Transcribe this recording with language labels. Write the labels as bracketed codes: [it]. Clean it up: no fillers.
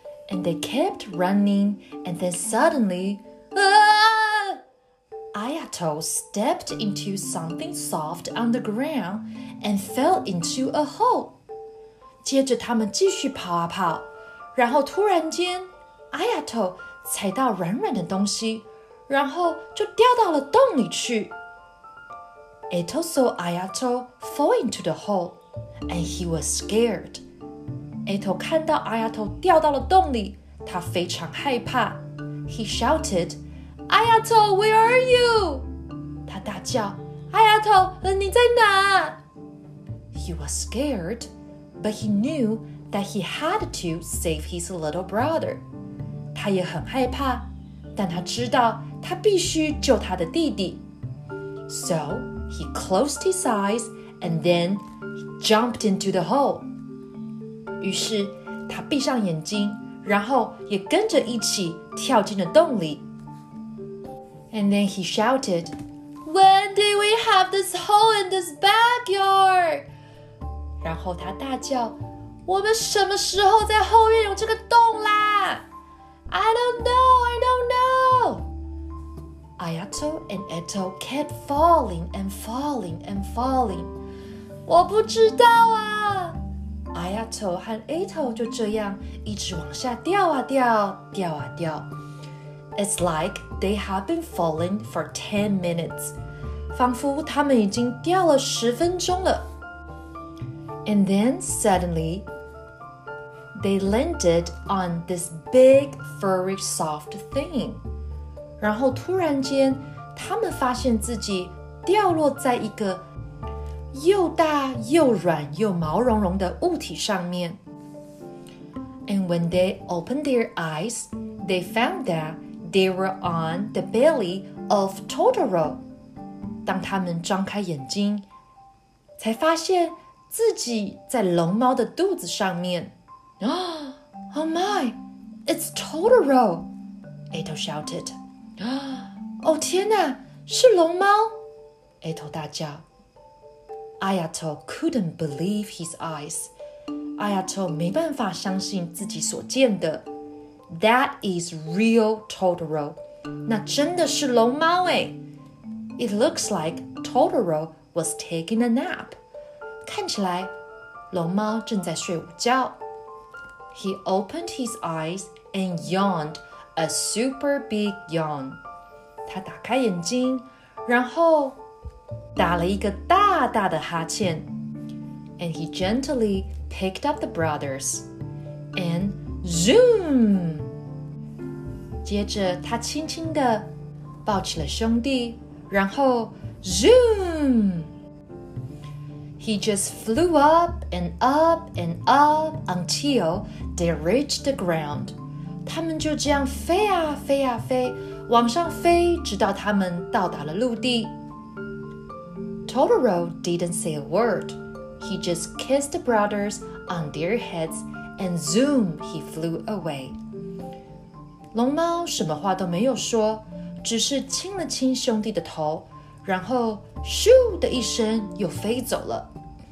[en] And they kept running, and then suddenly,、Ayato stepped into something soft on the ground and fell into a hole. [zh] 接着他们继续跑啊跑，然后突然间 Ayato 踩到软软的东西然后就掉到了洞里去。 [en] Eto saw Ayato fall into the hole, and he was scared. [zh] Eto 看到 Ayato 掉到了洞里，他非常害怕。 [en] He shouted, "Ayato, where are you?" [zh] 他大叫 ，Ayato， 你在哪？ [en] He was scared, but he knew that he had to save his little brother. [zh] 他也很害怕，但他知道他必须救他的弟弟。 [en] So he closed his eyes and then jumped into the hole. [zh] 于是他闭上眼睛，然后也跟着一起跳进了洞里。 [en] And then he shouted, "When did we have this hole in this backyard?" [zh] 然后他大叫，我们什么时候在后院有这个洞啦？ [en] I don't know. Ayato and Eto kept falling. [zh] 我不知道啊。 Ayato 和 Eto 就这样一直往下掉啊掉，掉啊掉。 [en] It's like they have been falling for 10 minutes. [zh] 仿佛他们已经掉了十分钟了。 [en] And then suddenly, they landed on this big, furry, soft thing. [zh] 然后突然间，他们发现自己掉落在一个又大又软又毛茸茸的物体上面。 [en] And when they opened their eyes, they found that they were on the belly of Totoro. [zh] 当他们张开眼睛，才发现自己在龙猫的肚子上面。 [en] Oh my, it's Totoro! Eto shouted. [zh] Oh, 天哪，是龙猫？ [en] Eto [zh] 大叫。 [en] Ayato couldn't believe his eyes. [zh] Ayato 没办法相信自己所见的。 [en] That is real Totoro. [zh] 那真的是龙猫诶。 [en] It looks like Totoro was taking a nap. [zh] 看起来龙猫正在睡午觉。 [en] He opened his eyes and yawned a super big yawn. [zh] 他打开眼睛，然后打了一个大大的哈欠。 [en] And he gently picked up the brothers. And zoom! [zh] 接着他轻轻地抱起了兄弟，然后 zoom! [en] He just flew up and up and up until they reached the ground. [zh] 他们就这样飞啊飞啊飞，往上飞，直到他们到达了陆地。 [en] Totoro didn't say a word. He just kissed the brothers on their heads and zoom, he flew away. [zh] 龙猫什么话都没有说，只是亲了亲兄弟的头，然后咻的一声又飞走了。